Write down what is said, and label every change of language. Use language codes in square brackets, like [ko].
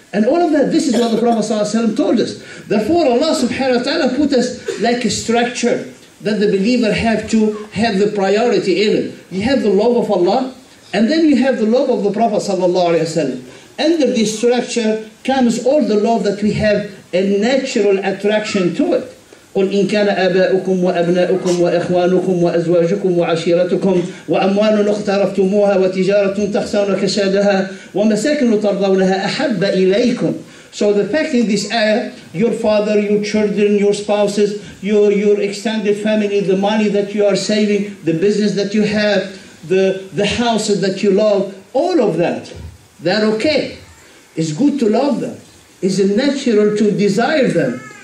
[en] And all of that, this is what the Prophet ﷺ told us. Therefore, Allah subhanahu wa ta'ala put us like a structure that the believer have to have the priority in it. You have the love of Allah, and then you have the love of the Prophet sallallahu alaihi wasallam. Under this structure comes all the love that we have a natural attraction to it. [ar] قل إن كان آباؤكم وأبناؤكم وإخوانكم وأزواجكم وعشيرتكم وأموال اقترفتموها وتجارة تخشون كسادها ومساكن ترضونها أحب إليكم. [en] So the fact in this ayah, your father, your children, your spouses, your extended family, the money that you are saving, the business that you have, the houses that you love, all of that, they're okay. It's good to love them. It's natural to desire them.